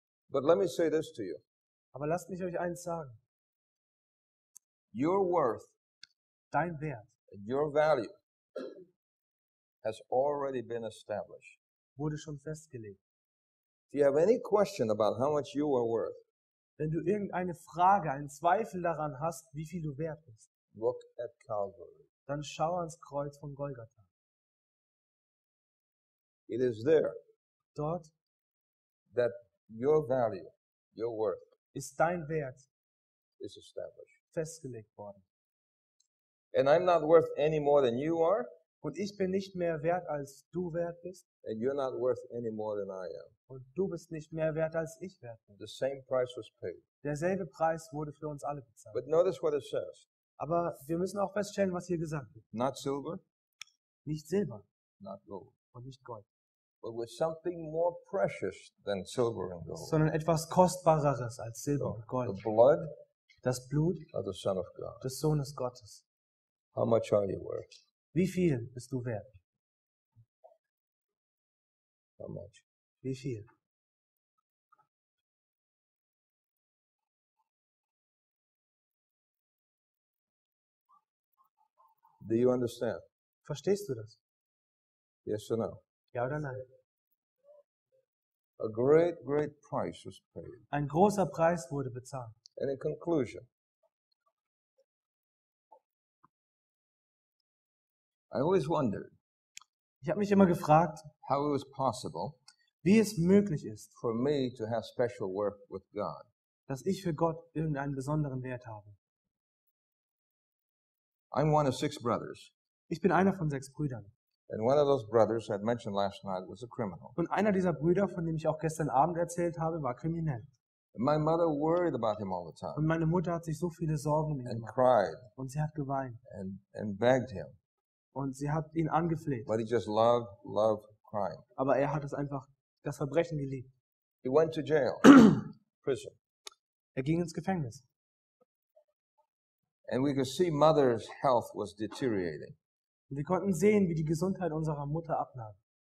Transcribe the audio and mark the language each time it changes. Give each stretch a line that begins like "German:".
English: But let me say this to you.
German: Aber lasst mich euch eins sagen.
English: Your worth,
German: dein Wert,
English: and your value has already been established.
German: Wurde schon festgelegt.
English: If you have any question about how much you are worth,
German: wenn du irgendeine Frage, einen Zweifel daran hast, wie viel du wert bist,
English: look at Calvary.
German: Dann schau ans Kreuz von Golgatha.
English: It is there.
German: Dort,
English: that your value, your worth,
German: ist dein Wert,
English: is established.
German: Festgelegt worden.
English: And I'm not worth any more than you are.
German: Und ich bin nicht mehr wert, als du wert bist.
English: And you're not worth any more than I am.
German: Und du bist nicht mehr wert, als ich wert bin.
English: The same price was paid.
German: Derselbe Preis wurde für uns alle bezahlt.
English: But notice what it says.
German: Aber wir müssen auch feststellen, was hier gesagt wird.
English: Not silver.
German: Nicht Silber.
English: Not gold.
German: Und nicht Gold.
English: But with something more precious than silver and gold.
German: Sondern etwas Kostbareres als Silber und Gold.
English: The blood.
German: Das Blut.
English: Of the Son of God.
German: Des Sohnes Gottes.
English: How much are you worth?
German: Wie viel bist du wert?
English: How much?
German: Wie viel?
English: Do you understand?
German: Verstehst du das?
English: Yes or no?
German: Ja oder nein?
English: A great, great price was paid.
German: Ein großer Preis wurde bezahlt.
English: And in conclusion, I always wondered,
German: ich habe mich immer gefragt,
English: how it was possible,
German: wie es möglich ist,
English: for me to have special worth with God,
German: dass ich für Gott irgendeinen besonderen Wert habe.
English: I'm one of six brothers.
German: Ich bin einer von sechs Brüdern.
English: And one of those brothers I mentioned last night was a criminal.
German: Und einer dieser Brüder, von dem ich auch gestern Abend erzählt habe, war kriminell.
English: And my mother worried about him all the time.
German: Und meine Mutter hat sich so viele Sorgen um ihn
English: and
German: gemacht.
English: Cried.
German: Und sie hat geweint.
English: And begged him.
German: Und sie hat ihn angefleht.
English: But he just loved crying.
German: Aber er hat es einfach, das Verbrechen geliebt.
English: He went to jail. Prison.
German: Er ging ins Gefängnis.
English: And we could see mother's health was deteriorating.
German: Und wir konnten sehen, wie die Gesundheit unserer Mutter abnahm.